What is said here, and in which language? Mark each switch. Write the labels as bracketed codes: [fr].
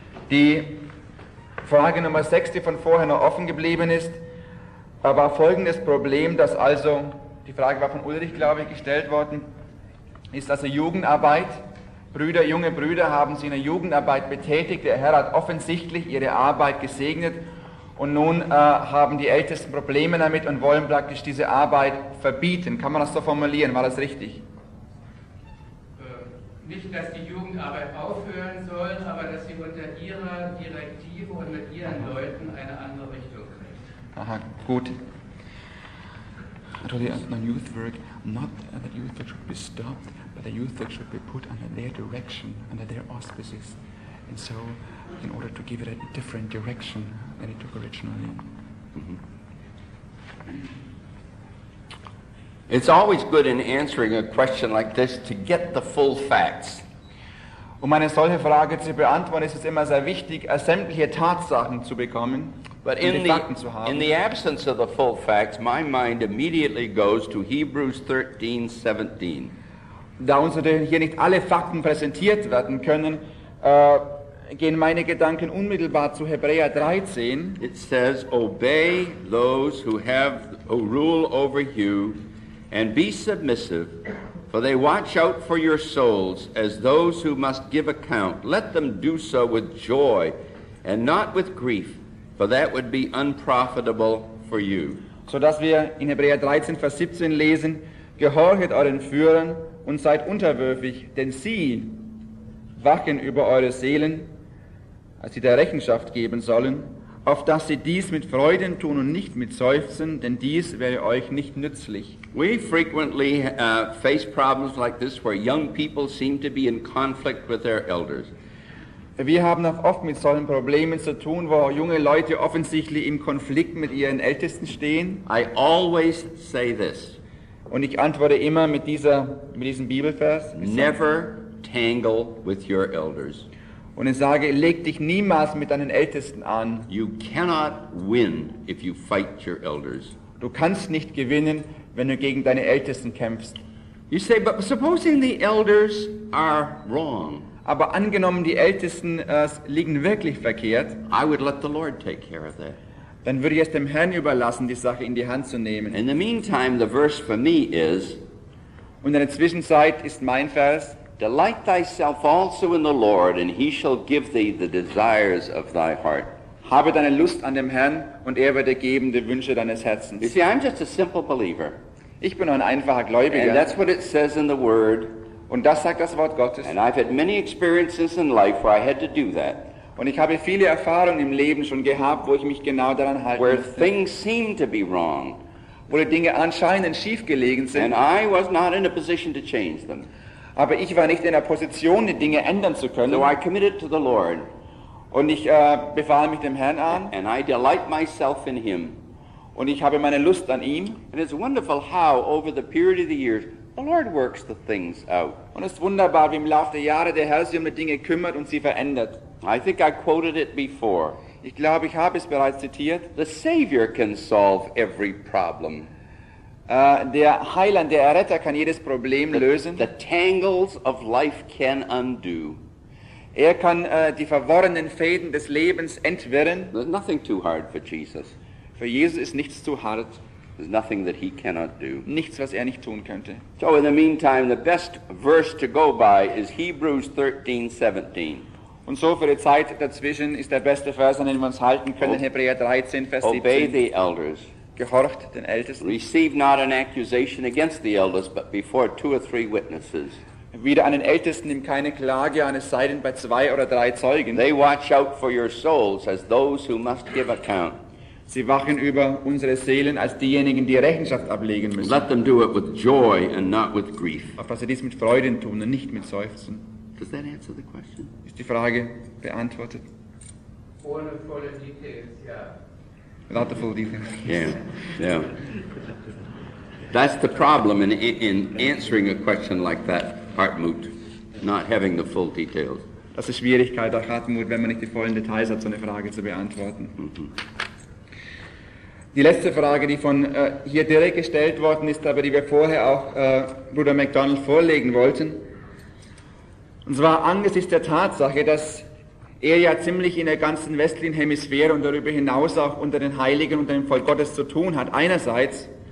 [de] Die Frage Nummer 6, die von vorher noch offen geblieben ist, war folgendes Problem, dass also, die Frage war von Ulrich, glaube ich, gestellt worden, ist also Jugendarbeit, Brüder, junge Brüder haben sich in der Jugendarbeit betätigt, der Herr hat offensichtlich ihre Arbeit gesegnet und nun haben die Ältesten Probleme damit und wollen praktisch diese Arbeit verbieten. Kann man das so formulieren, war das richtig? Nicht, dass die Jugendarbeit aufhören soll, aber dass sie unter ihrer Direktive und mit ihren Leuten eine andere Richtung kriegt. Aha, gut. [en] Natürlich, on youth work, not that youth work should be stopped, but the youth work should be put under their direction, under their auspices. And so, in order to give it a different direction than it took originally. It's always good in answering a question like this to get the full facts. [de] Um eine solche Frage zu beantworten, ist es immer sehr wichtig, sämtliche Tatsachen zu bekommen, [en] but [de] um die Fakten zu haben. [en] In the absence of the full facts, my mind immediately goes to Hebrews 13, 17. [de] Da uns hier nicht alle Fakten präsentiert werden können, gehen meine Gedanken unmittelbar zu Hebräer 13. [en] It says, obey those who have a rule over you and be submissive, for they watch out for your souls as those who must give account. Let them do so with joy and not with grief, for that would be unprofitable for you. [de] So dass wir in Hebräer 13, Vers 17 lesen, gehorchet euren Führern und seid unterwürfig, denn sie wachen über eure Seelen, als sie der Rechenschaft geben sollen, auf dass sie dies mit Freuden tun und nicht mit Seufzen, denn dies wäre euch nicht nützlich. [en] We frequently face problems like this, where young people seem to be in conflict with their elders. [de] Wir haben auch oft mit solchen Problemen zu tun, wo junge Leute offensichtlich im Konflikt mit ihren Ältesten stehen. [en] I always say this. [de] Und ich antworte immer mit diesem Bibelvers. [en] Never tangle with your elders. [de] Und ich sage, leg dich niemals mit deinen Ältesten an. [en] You cannot win if you fight your elders. [de] Du kannst nicht gewinnen, wenn du gegen deine Ältesten kämpfst. [en] You say, but supposing the elders are wrong. [de] Aber angenommen, die Ältesten liegen wirklich verkehrt. [en] I would let the Lord take care of that. [de] Dann würde ich es dem Herrn überlassen, die Sache in die Hand zu nehmen. [en] In the meantime, the verse for me is. [de] Und in der Zwischenzeit ist mein Vers. [en] Delight thyself also in the Lord, and he shall give thee the desires of thy heart. [de] Habe deine Lust an dem Herrn, und wird dir geben die Wünsche deines Herzens. [en] You see, I'm just a simple believer. [de] Ich bin nur ein einfacher Gläubiger. [en] And that's what it says in the Word. [de] Und das sagt das Wort Gottes. [en] And I've had many experiences in life where I had to do that. [de] Und ich habe viele Erfahrungen im Leben schon gehabt, wo ich mich genau daran halten [en] where [de] musste. [en] Where things seem to be wrong. [de] Wo die Dinge anscheinend schief gelegen sind. [en] And I was not in a position to change them. [de] Aber ich war nicht in der Position, die Dinge ändern zu können. [en] So I committed to the Lord. [de] Und ich befahl mich dem Herrn an. [en] And I delight myself in him. [de] Und ich habe meine Lust an ihm. [en] And it's wonderful how, over the period of the years, the Lord works the things out. [de] Und es ist wunderbar, wie im Laufe der Jahre der Herr sich um die Dinge kümmert und sie verändert. [en] I think I quoted it before. [de] Ich glaube, ich habe es bereits zitiert. [en] The Savior can solve every problem. [de] Der Heiland, der Erretter, kann jedes Problem lösen. [en] The tangles of life can undo. [de] Er kann die verworrenen Fäden des Lebens entwirren. [en] There's nothing too hard for Jesus. [de] Für Jesus ist nichts zu hart. [en] There's nothing that he cannot do. [de] Nichts, was nicht tun könnte. [en] So in the meantime, the best verse to go by is Hebrews 13, 17. [de] Und so für die Zeit dazwischen ist der beste Vers, an den wir uns halten können, Hebräer 13, Vers 17. [en] Obey the elders. [de] Gehorcht den Ältesten. [en] Receive not an accusation against the elders, but before two or three witnesses. [de] Wieder an den Ältesten nimm keine Klage an, es sei denn bei zwei oder drei Zeugen. [en] They watch out for your souls as those who must give account. [de] Sie wachen über unsere Seelen als diejenigen, die Rechenschaft ablegen müssen. [en] Let them do it with joy and not with grief. [de] Auf dass sie dies mit Freuden tun und nicht mit Seufzen. [en] Does that answer the question? [de] Ist die Frage beantwortet? Ohne volle Details, ja. [en] Without the full details. Yeah, yeah. That's the problem in answering a question like that, Hartmut, not having the full details. [de] Das ist die Schwierigkeit auch, Hartmut, wenn man nicht die vollen Details hat, so eine Frage zu beantworten. Die letzte Frage, die von hier direkt gestellt worden ist, aber die wir vorher auch Bruder MacDonald vorlegen wollten. Und zwar angesichts der Tatsache, dass er ja ziemlich in der ganzen westlichen Hemisphäre und darüber hinaus auch unter den Heiligen und dem Volk Gottes zu tun hat, einerseits.